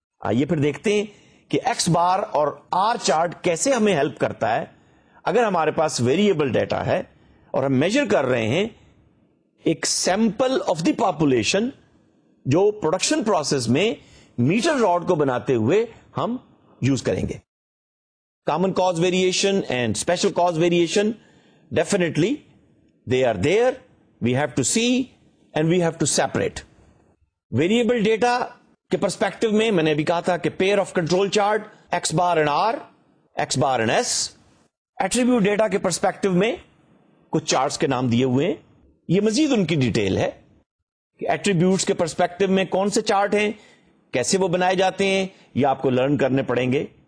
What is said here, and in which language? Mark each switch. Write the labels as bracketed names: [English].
[Urdu] آئیے پھر دیکھتے ہیں کہ ایکس بار اور آر چارٹ کیسے ہمیں ہیلپ کرتا ہے اگر ہمارے پاس ویریبل ڈیٹا ہے اور ہم میجر کر رہے ہیں ایک [English] sample of the population [Urdu] جو پروڈکشن پروسیس میں میٹر راڈ کو بناتے ہوئے ہم یوز کریں گے. [English] Common cause variation and special cause variation definitely they are there, we have to see and we have to separate. [Urdu] Variable data کے perspective میں نے ابھی کہا تھا کہ pair of control chart x bar and are, x bar and S. Attribute data کے perspective میں کچھ چارٹس کے نام دیے ہوئے ہیں, یہ مزید ان کی ڈیٹیل ہے کہ ایٹریبیوٹس کے پرسپیکٹو میں کون سے چارٹ ہیں, کیسے وہ بنائے جاتے ہیں, یہ آپ کو لرن کرنے پڑیں گے.